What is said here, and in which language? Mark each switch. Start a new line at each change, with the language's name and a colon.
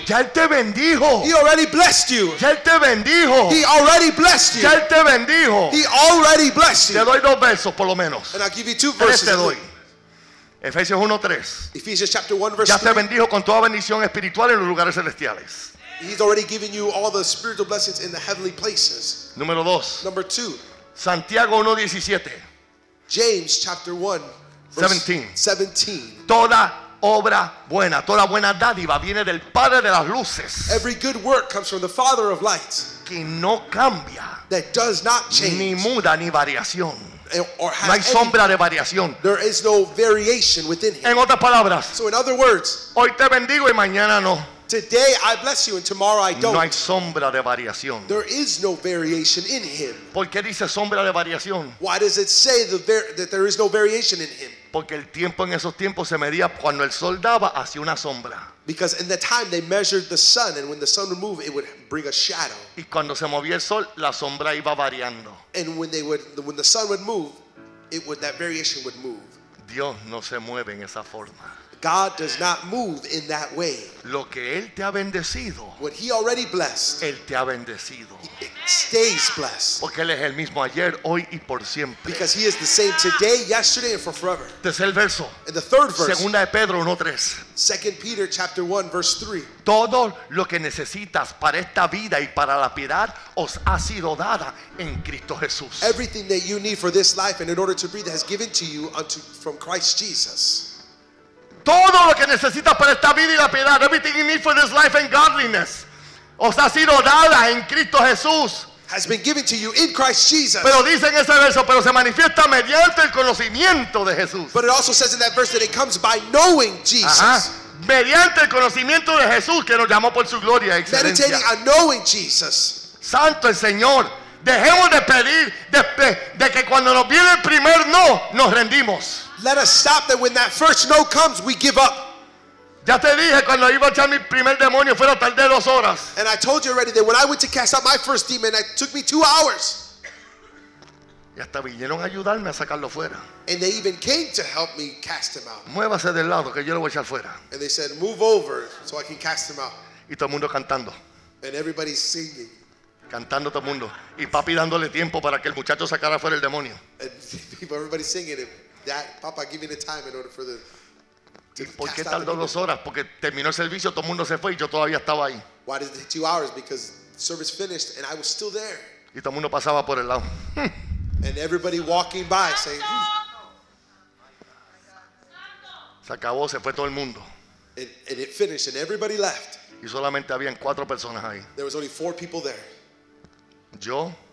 Spanish: Ya él te bendijo.
English: He already blessed you.
Spanish: Ya él te bendijo.
English: He already blessed you.
Spanish: Ya él te bendijo.
English: He already blessed you.
Spanish: Te doy dos versos por lo menos.
English: And I'll give you two verses.
Spanish: Tres te doy. Efesios 1:3.
English: Ephesians chapter 1 verse 3.
Spanish: Ya te bendijo con toda bendición espiritual en los lugares celestiales.
English: He's already given you all the spiritual blessings in the heavenly places.
Spanish: Número dos.
English: Number two.
Spanish: Santiago 1:17.
English: James chapter 1 verse 17. 17.
Spanish: Toda obra buena, toda buena dádiva viene del Padre de las luces.
English: Every good work comes from the Father of lights.
Spanish: Que no cambia.
English: That does not change.
Spanish: Ni muda ni variación.
English: Or has
Spanish: no hay sombra
English: any,
Spanish: de variación.
English: There is no variation within him.
Spanish: En otras palabras.
English: So in other words.
Spanish: Hoy te bendigo y mañana no.
English: Today I bless you and tomorrow I don't.
Spanish: No hay sombra de variación.
English: There is no variation in him.
Spanish: ¿Por qué dice sombra de variación?
English: Why does it say that there is no variation in him?
Spanish: Porque el tiempo en esos tiempos se medía cuando el sol daba hacia una sombra.
English: Because in the time they measured the sun and when the sun would move it would bring a shadow.
Spanish: Y cuando se movía el sol la sombra iba variando.
English: And when the sun would move it would that variation would move.
Spanish: Dios no se mueve en esa forma.
English: God does not move in that way.
Spanish: Lo que él te ha bendecido,
English: what he already blessed,
Spanish: él te ha bendecido.
English: He stays blessed.
Spanish: Porque él es el mismo ayer, hoy y por siempre.
English: Because he is the same today, yesterday, and for forever.
Spanish: Tercer verso.
English: And the third verse.
Spanish: Segunda de Pedro 1:3.
English: 2 Peter chapter 1 verse 3.
Spanish: Todo lo que necesitas para esta vida y para la piedad os ha sido dada en Cristo Jesús.
English: Everything that you need for this life and in order to breathe has given to you unto from Christ Jesus.
Spanish: Todo lo que necesitas para esta vida y la piedad,
English: everything you need for this life and godliness,
Spanish: os ha sido dada en Cristo Jesús.
English: Has been given to you in Christ Jesus.
Spanish: Pero dice en ese verso, pero se manifiesta mediante el conocimiento de Jesús.
English: But it also says in that verse that it comes by knowing Jesus. Ajá.
Spanish: Mediante el conocimiento de Jesús que nos llamó por su gloria y excelencia.
English: Meditating on knowing Jesus.
Spanish: Santo el Señor. Dejemos de pedir de que cuando nos viene el primer no, nos rendimos.
English: Let us stop that when that first no comes, we give up.
Spanish: Ya te dije cuando iba a echar mi primer demonio fueron tardé dos horas.
English: And I told you already that when I went to cast out my first demon, it took me 2 hours.
Spanish: Y hasta vinieron a ayudarme a sacarlo fuera.
English: And they even came to help me cast him out.
Spanish: Muévase del lado que yo lo voy a echar fuera.
English: And they said, move over so I can cast him out.
Spanish: Y todo el mundo cantando.
English: And everybody's singing.
Spanish: Cantando todo el mundo. Y papi dándole tiempo para que el muchacho sacara fuera el demonio.
English: And everybody's singing it. That papa giving the time in order for the
Spanish: ¿Y por qué tardó dos horas? Porque terminó el servicio, todo el mundo se fue y yo todavía estaba ahí.
English: Why did it take 2 hours? Because service finished and I was still there.
Spanish: Y todo el mundo pasaba por el lado.
English: And everybody walking by saying,
Spanish: Se acabó, se fue todo el mundo.
English: And it finished and everybody left.
Spanish: Y solamente habían cuatro personas ahí.
English: There was only four people there.
Spanish: Yo.